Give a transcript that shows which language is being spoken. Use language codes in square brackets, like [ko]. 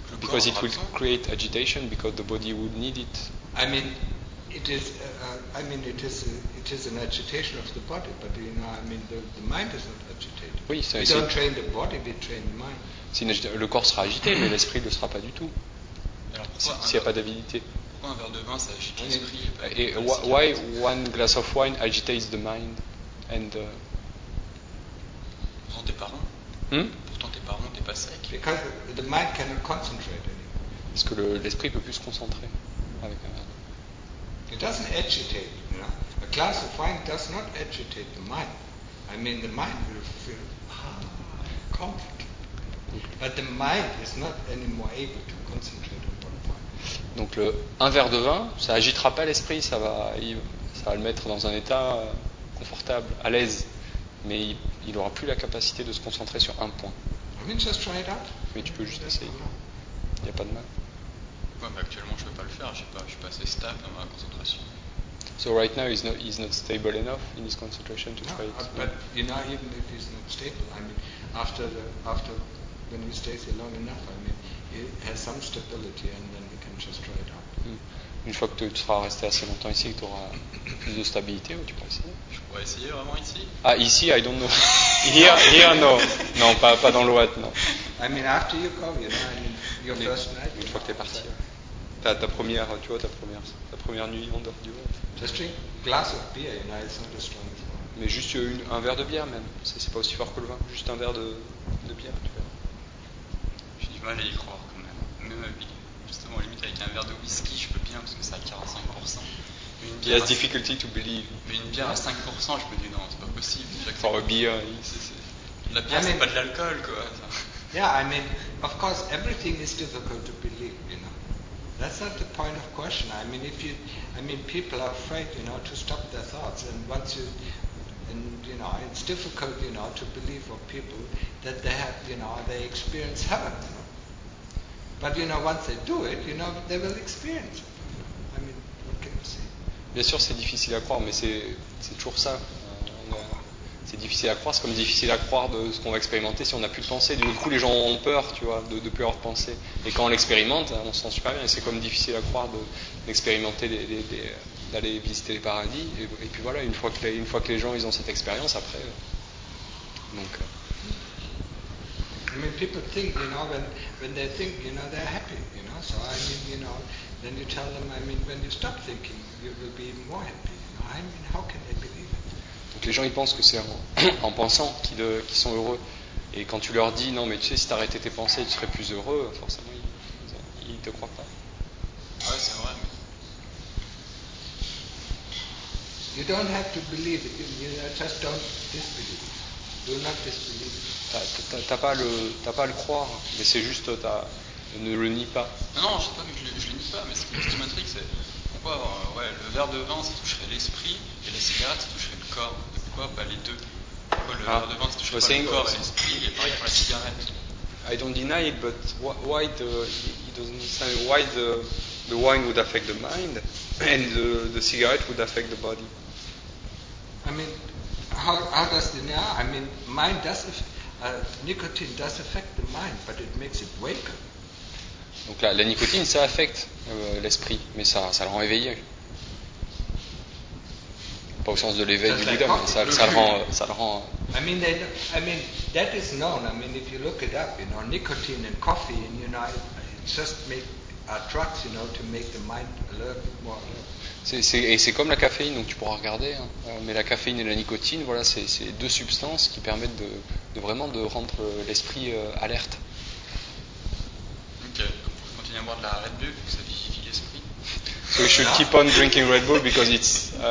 [en] Because it will create agitation because the body would need it. It is an agitation of the body, but you know, the mind is not agitated. [fr] Oui, [en] we don't train the body, we train the mind. [fr] Le corps sera agité, mais l'esprit ne le sera pas du tout. S'il n'y a pas d'avidité. Pourquoi un verre de vin, ça agite l'esprit? [en] Et why one glass of wine agitates the mind? And [fr] pourtant t'es parent. Pourtant t'es parent, t'es pas sec. [en] Because the mind cannot concentrate anymore. [fr] Parce que l'esprit peut plus se concentrer avec un verre. [en] It doesn't agitate, you know. A glass of wine does not agitate the mind. I mean, the mind will feel comfort. But the mind is not anymore able to concentrate on one point. [fr] Donc un verre de vin, ça agitera pas l'esprit, ça va le mettre dans un état confortable, à l'aise, mais il aura plus la capacité de se concentrer sur un point. [en] I mean, just try it out. [fr] Mais tu peux juste essayer. Il n'y a pas de mal. Ouais, mais actuellement, je peux pas le faire. Je suis pas assez stable dans ma concentration. [en] So right now he's not stable enough in his concentration to try it. But you know, even if he's not stable, I mean, when he stays here long enough, I mean, he has some stability, and then he can just try it out. [fr] Une fois que tu seras resté assez longtemps ici, que tu auras plus de stabilité, tu pourras essayer. Je pourrais essayer vraiment ici. Ah, ici, [en] I don't know. Here, no. [fr] Non, pas dans l'Ouest, non. [en] I mean, after you come, you know, I mean, your mais first night. [fr] Une fois que tu es parti. Ta première nuit en dehors du monde. [en] Just drink a glass of beer, you know, it's not as strong as well. [fr] Mais juste un verre de bière même. C'est pas aussi fort que le vin. Juste un verre de bière, tu vois. J'ai du mal à y croire quand même. Même à vie. Justement, à la limite, avec un verre de whisky, je peux bien parce que c'est à 45%. Une bière, [en] yes, difficulty to believe. [fr] Mais une bière à 5%, je me dis non, c'est pas possible. [en] For a beer, [fr] la bière, c'est pas de l'alcool, quoi. [en] Yeah, I mean, of course, everything is difficult to believe, you know. That's not the point of question. I mean, people are afraid, you know, to stop their thoughts, and it's difficult, you know, to believe for people that they have, you know, they experience heaven. You know? But you know, once they do it, you know, they will experience it. I mean, what can you say? [fr] Bien sûr, c'est difficile à croire, mais c'est toujours ça. C'est difficile à croire. C'est comme difficile à croire de ce qu'on va expérimenter si on n'a plus de pensée. Du coup, les gens ont peur, tu vois, de plus avoir de pensée. Et quand on l'expérimente, on se sent super bien. Et c'est comme difficile à croire d'expérimenter d'aller visiter les paradis. Et puis voilà, une fois que les gens ils ont cette expérience, après, donc. [en] I mean, people think, you know, when they think, you know, they're happy, you know. So I mean, you know, then you tell them, I mean, when you stop thinking, you will be more happy. I mean, how can they believe it? [fr] Donc les gens ils pensent que c'est en pensant qu'ils sont heureux. Et quand tu leur dis, non, mais tu sais, si t'arrêtais tes pensées, tu serais plus heureux, forcément, ils te croient pas. Ouais, c'est vrai. Mais... [en] You don't have to believe it. You just don't disbelieve it. Do not disbelieve it. [fr] T'as pas à le croire, mais c'est juste ne le nie pas. Non, je sais pas, mais je le nie pas, mais ce qui est magique, c'est pourquoi le verre de vin ça toucherait l'esprit et la cigarette ça toucherait le corps. Et pourquoi pas les deux? Pourquoi le verre de vin ça toucherait pas le corps et l'esprit et pareil pour la cigarette? [en] I don't deny it, but why the wine would affect the mind and the cigarette would affect the body? I mean, how does it now? I mean, mind does affect. Nicotine does affect the mind, but it makes it wake. [fr] Donc la nicotine, ça affecte l'esprit, mais ça le rend éveillé. Pas au sens de l'éveil du bouddha, mais ça le rend. [en] I mean that is known. I mean, if you look it up, you know, nicotine and coffee, and you know, it just make drugs, you know, to make the mind alert, more alert. [fr] C'est comme la caféine, donc tu pourras regarder. Hein. Mais la caféine et la nicotine, voilà, c'est deux substances qui permettent de vraiment rendre l'esprit alerte. Ok, donc pour continuer à boire de la Red Bull, ça vivifie l'esprit. [en] So we should keep on drinking Red Bull because it's.